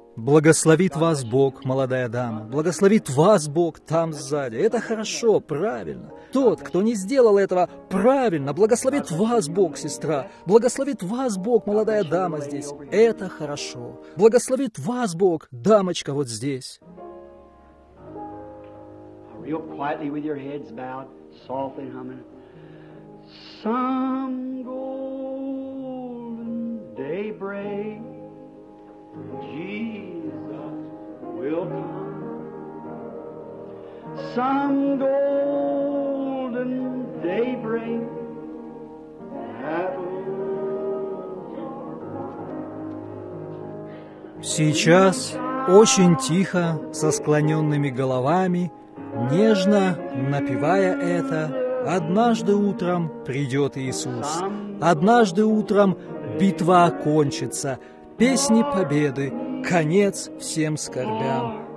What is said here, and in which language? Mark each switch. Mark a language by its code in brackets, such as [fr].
[ru] Благословит вас Бог, молодая дама. Благословит вас Бог там сзади. Это хорошо, правильно. Тот, кто не сделал этого, правильно. Благословит вас Бог, сестра. Благословит вас Бог, молодая дама здесь. Это хорошо. Благословит вас Бог, дамочка вот здесь. [en] Real quietly with your heads bowed, softly humming. Some golden day break. Jesus will come. Some golden daybreak. That'll [ru] Сейчас очень тихо, со склоненными головами, нежно напевая это, однажды утром придет Иисус. Однажды утром битва окончится, песни победы, конец всем скорбям.